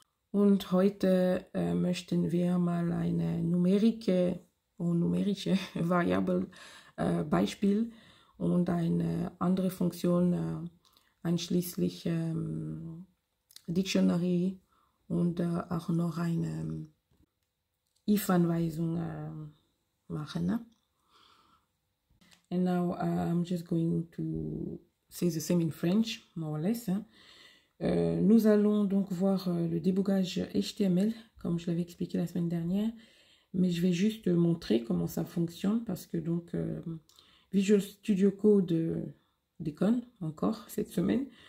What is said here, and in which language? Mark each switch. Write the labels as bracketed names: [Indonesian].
[German] Und heute möchten wir mal eine numerische Variable Beispiel und eine andere Funktion, einschließlich Dictionary und auch noch eine If-Anweisung machen. Ne? [English] And now I'm just going to say the same in French, more or less. [French] Hein? Nous allons donc voir le débogage HTML, comme je l'avais expliqué la semaine dernière, mais je vais juste montrer comment ça fonctionne, parce que donc Visual Studio Code déconne encore cette semaine.